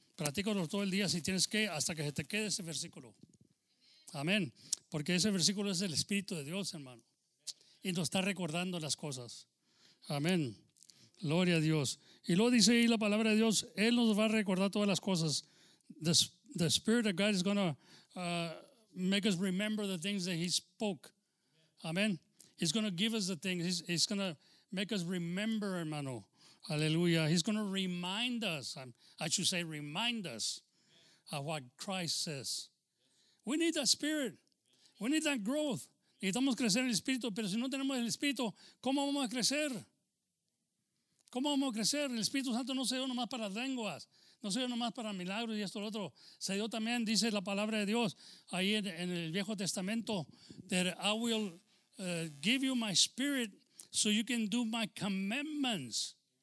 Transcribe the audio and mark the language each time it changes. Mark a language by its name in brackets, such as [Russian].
[Spanish] Practícalo todo el día si tienes que, hasta que se te quede ese versículo. Amén. Porque ese versículo es el Espíritu de Dios, hermano. Y nos está recordando las cosas. Amén. Gloria a Dios. Y luego dice ahí la palabra de Dios, Él nos va a recordar todas las cosas. [English] The Spirit of God is going to make us remember the things that He spoke. Amén. He's going to give us the things. He's going to make us remember, hermano. Aleluya. He's going to remind us. I should say remind us of what Christ says. We need that Spirit. We need that growth. [Spanish] Necesitamos crecer en el Espíritu, pero si no tenemos el Espíritu, ¿cómo vamos a crecer? ¿Cómo vamos a crecer? El Espíritu Santo no se dio nomás para las lenguas, no se dio nomás para milagros y esto y lo otro. Se dio también, dice la palabra de Dios, ahí en el Viejo Testamento, [English] that I will give you my Spirit so you can do my commandments.